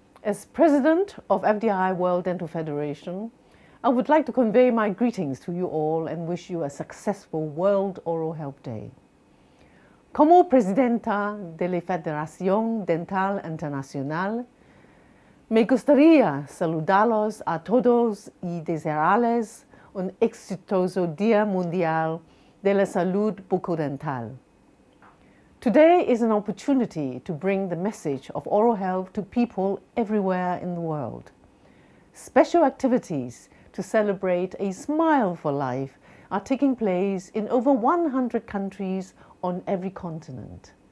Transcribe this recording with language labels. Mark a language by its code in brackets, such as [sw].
[en] As President of FDI World Dental Federation, I would like to convey my greetings to you all and wish you a successful World Oral Health Day. [es] Como Presidenta de la Federación Dental Internacional, me gustaría saludarlos a todos y desearles un exitoso Día Mundial de la Salud Bucodental. [en] Today is an opportunity to bring the message of oral health to people everywhere in the world. Special activities to celebrate a smile for life are taking place in over 100 countries on every continent.